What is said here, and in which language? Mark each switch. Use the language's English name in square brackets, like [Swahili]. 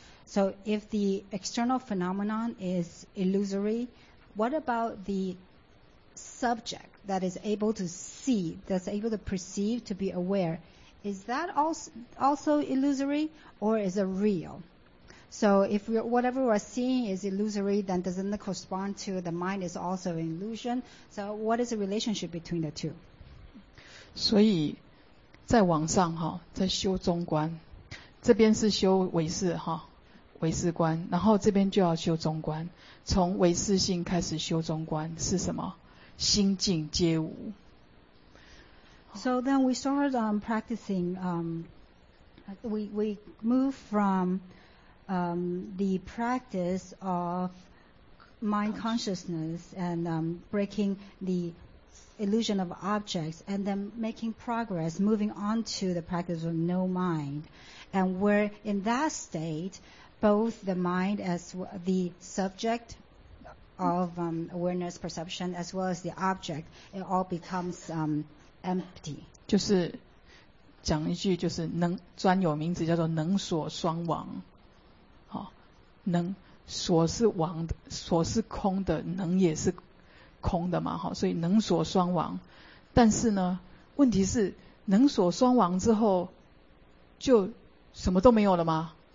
[English] So if the external phenomenon is illusory, what about the subject that is able to see, that's able to perceive, to be aware? Is that also illusory, or is it real? So if whatever we're seeing is illusory, then doesn't it correspond to the mind is also an illusion? So what is the relationship between the two? [Chinese] 所以在网上哈，在修中观，这边是修唯识哈，唯识观，然后这边就要修中观，从唯识性开始修中观是什么？心境皆无。 [English] So then we started practicing. We move from the practice of mind consciousness and breaking the illusion of objects, and then making progress, moving on to the practice of no mind. And where in that state, both the mind as the subject of awareness, perception, as well as the object, it all becomes empty. [Chinese] 就是讲一句，就是能专有名词叫做能所双亡。能所是亡的，所是空的，能也是空的嘛，所以能所双亡。但是呢，问题是能所双亡之后就什么都没有了吗？